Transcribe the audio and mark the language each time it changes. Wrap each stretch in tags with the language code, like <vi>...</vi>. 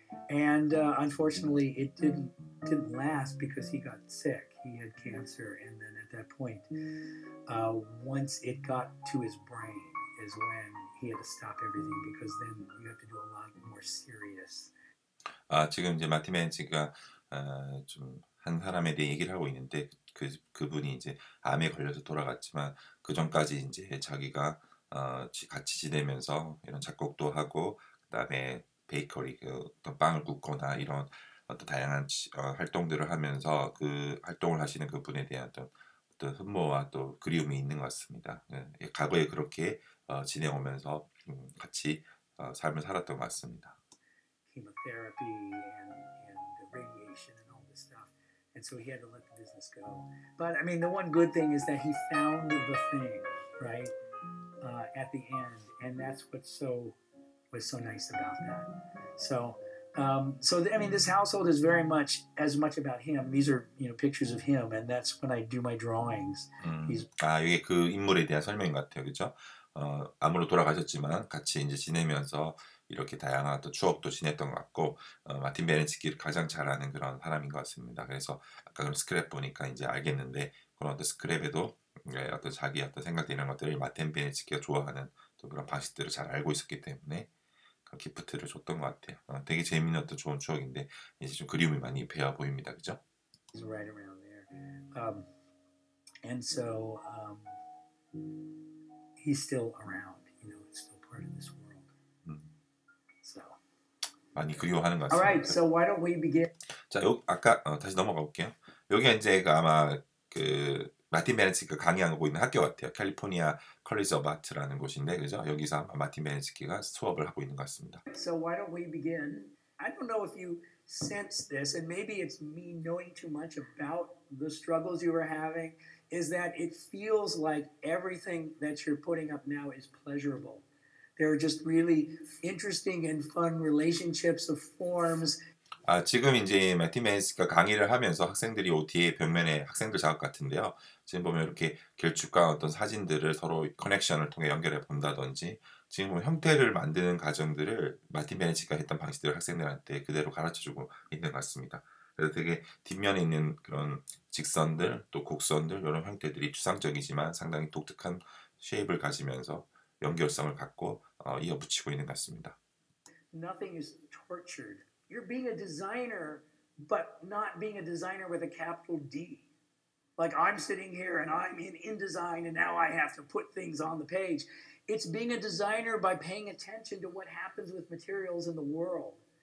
<en>And unfortunately, it didn't last because he got sick. He had cancer. And then at that point, once it got to his brain is when he had to stop everything because then you have to do a lot more serious.</en> <ko>아, 지금 이제 마틴 베네츠케가 좀 한 사람에 대해 얘기를 하고 있는데 그분이 이제 암에 걸려서 돌아갔지만 그 전까지 이제 자기가 같이 지내면서 이런 작곡도 하고 그다음에 베이커리 그 어떤 빵을 굽거나 이런 어떤 다양한 활동들을 하면서 그 활동을 하시는 그분에 대한 어떤 흠모와 또 그리움이 있는 것 같습니다. 예, 과거에 그렇게 진행하면서 같이 삶을 살았던 것 같습니다.</ko> <en>Chemotherapy and radiation and all this stuff. And so he had to let the business go. But I mean, the one good thing is that he found the thing, right? At the end. And that's what's so nice about that. So, I mean, this household is very much as much about him. These are, you know, pictures of him, and that's when I do my drawings.</en> <ko>아, 이게 그 인물에 대한 설명인 것 같아요, 그렇죠? 암으로 돌아가셨지만 같이 이제 지내면서 이렇게 다양한 또 추억도 지냈던 것 같고 마틴 베네츠케를 가장 잘 아는 그런 사람인 것 같습니다. 그래서 아까 그런 스크랩 보니까 이제 알겠는데 그런 어떤 스크랩에도 어떤 자기 어떤 생각되는 것들을 마틴 베네츠케가 좋아하는 또 그런 방식들을 잘 알고 있었기 때문에. 기프트를 줬던 것 같아요. 되게 재미있는 어떤 좋은 추억인데 이제 좀 그리움이 많이 배어 보입니다. 그죠?</ko> <en>He's right around there. And so he's still around. part of this world. So.</en> <ko>많이 그리워하는 것 같습니다.</ko> <en>All right, so why don't we begin?</en> <ko>자, 요, 아까 다시 넘어가 볼게요. 여기 이제 아마 그 마틴 베네츠키가 강의하고 있는 학교 같아요. 캘리포니아 컬리지 오브 아트라는 곳인데 그죠? 여기서 아마 마틴 베네츠키가 수업을 하고 있는 것 같습니다.</ko> <en>So why don't we begin? I don't know if you sense this, and maybe it's me knowing too much about the struggles you were having, is that it feels like everything that you're putting up now is pleasurable. There are just really interesting and fun relationships of forms.</en> <ko>아, 지금 이제 마틴 베네츠키가 강의를 하면서 학생들이 OT의 벽면에 학생들 작업 같은데요. 지금 보면 이렇게 길쭉한 어떤 사진들을 서로 커넥션을 통해 연결해 본다든지 지금 뭐 형태를 만드는 과정들을 마틴 베네츠키가 했던 방식들을 학생들한테 그대로 가르쳐주고 있는 것 같습니다. 그래서 되게 뒷면에 있는 그런 직선들 또 곡선들 이런 형태들이 추상적이지만 상당히 독특한 쉐입을 가지면서 연결성을 갖고 이어붙이고 있는 것 같습니다.</ko> <en>Nothing is tortured. You're being a designer, but not being a designer with a capital D. Like I'm sitting here and I'm in InDesign and now I have to put things on the page. It's being a designer by paying attention to what happens with materials in the world.</en>